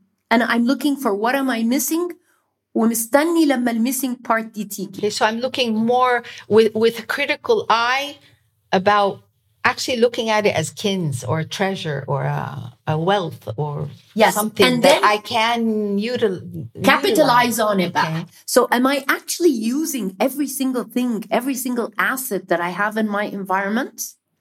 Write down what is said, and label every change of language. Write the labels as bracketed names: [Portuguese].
[English] And I'm looking for what am I missing? [Arabic] ومستني لما الميسينج بارت دي تيجي. [English] Okay, so I'm looking more with a critical eye about actually looking at it as kins or a treasure or a wealth or yes. something and that I can utilize. Capitalize on it. Okay. So am I actually using every single thing, every single asset that I have in my environment?